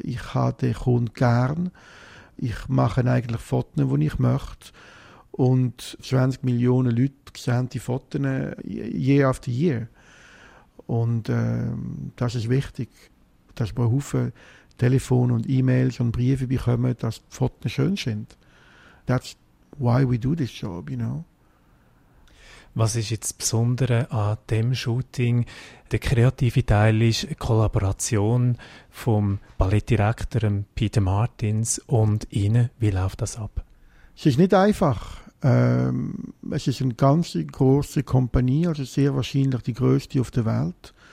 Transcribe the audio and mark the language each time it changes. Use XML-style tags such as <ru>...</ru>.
<de>Ich habe den Kunden gerne. Ich mache eigentlich Fotos, die ich möchte. Und 20 Millionen Leute sehen die Fotos</de> <en>year after year.</en> <de>Und das ist wichtig, dass wir viele Telefone und E-Mails und Briefe bekommen, dass die Fotos schön sind.</de> <en>That's why we do this job, you know.</en> <de>Was ist jetzt das Besondere an diesem Shooting? Der kreative Teil ist eine Kollaboration vom Ballettdirektor Peter Martins und Ihnen. Wie läuft das ab? Es ist nicht einfach. Es ist eine ganz grosse Kompanie, also sehr wahrscheinlich die grösste auf der Welt.</de>